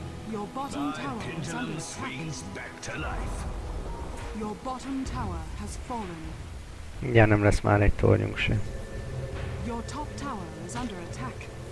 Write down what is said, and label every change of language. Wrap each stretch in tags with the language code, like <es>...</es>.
<en>Your bottom tower is under attack. Back to life. Your bottom tower has fallen.</en> <hu>Ja, nem lesz már egy tornyunk se.</hu> <en>Your top tower is under attack.</en>